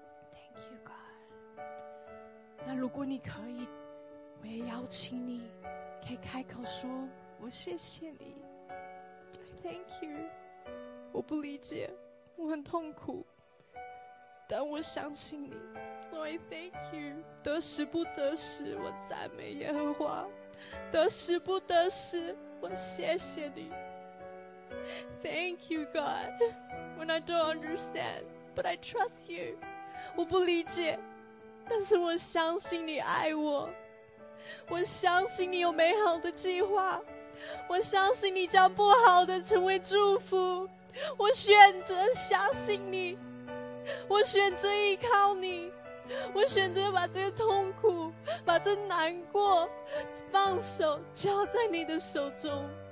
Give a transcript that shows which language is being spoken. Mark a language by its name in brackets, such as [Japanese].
[English] Thank you God。 [Chinese] 那如果你可以，我也邀请你可以开口说，我谢谢你， [English] I thank you。 [Chinese] 我不理解，我很痛苦，但我相信你， [English] I thank you。 [Chinese] 得时不得时，我赞美耶和华，得时不得时，我谢谢你。 [English] Thank you God when I don't understand but I trust you。 [Chinese] 我不理解，但是我相信你爱我，我相信你有美好的计划，我相信你将不好的成为祝福。我选择相信你，我选择依靠你，我选择把这个痛苦，把这难过放手交在你的手中。